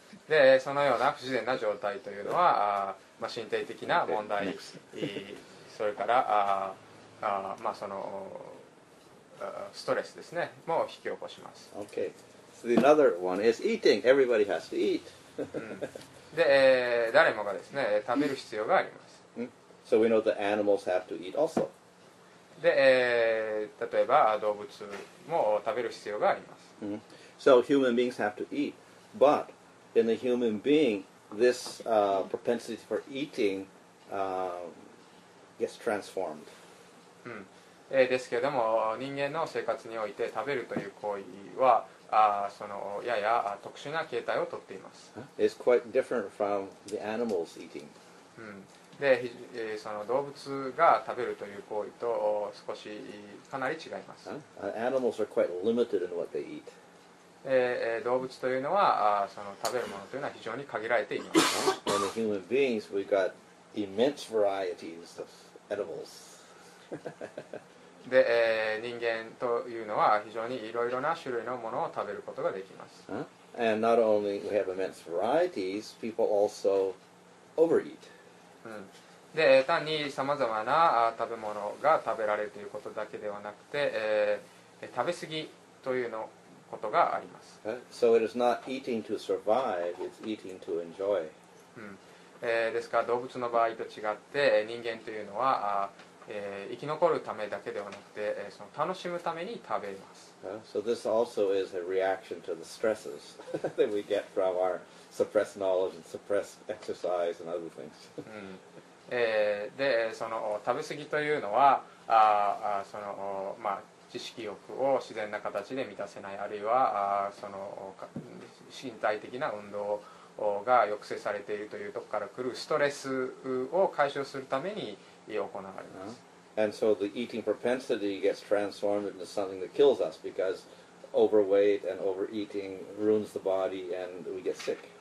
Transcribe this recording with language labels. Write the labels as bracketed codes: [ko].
[ja] で、そのような不自然な状態というのは、まあ、身体的な問題、okay. それからまあ、そのストレスですね、も引き起こします。 [en] Okay. So the other one is eating. Everybody has to eat. [ja] で、誰もがですね、食べる必要があります。 [en] So we know that animals have to eat also. [ja] で、例えば動物も食べる必要があります。 Mm-hmm. [en] So human beings have to eat, but in the human being, this propensity for eating gets transformed. [ja] ですけれども、人間の生活において食べるという行為は、そのやや特殊な形態をとっています。 [en] It's quite different from the animals eating. [ja] でその動物が食べるという行為と少しかなり違います。 [en] Animals are quite limited in what they eat. [ja] 動物というのはその食べるものというのは非常に限られています。 [en] And the human beings, we've got immense varieties of edibles. [ja] で人間というのは非常にいろいろな種類のものを食べることができます。 [en] And not only we have immense varieties, people also overeat. [ja] で単にさまざまな食べ物が食べられるということだけではなくて、食べ過ぎというのことがあります。 [en] So it is not eating to survive, it's eating to enjoy. [ja] ですから動物の場合と違って人間というのは生き残るためだけではなくてその楽しむために食べます。 [en] So this also is a reaction to the stresses that we get from our suppressed knowledge and suppressed exercise and other things. [ja] で、その食べ過ぎというのは、その、まあ、知識欲を自然な形で満たせない、あるいはその身体的な運動が抑制されているというところから来るストレスを解消するために行われます。 [en] And so the eating propensity gets transformed into something that kills us because overweight and overeating ruins the body and we get sick.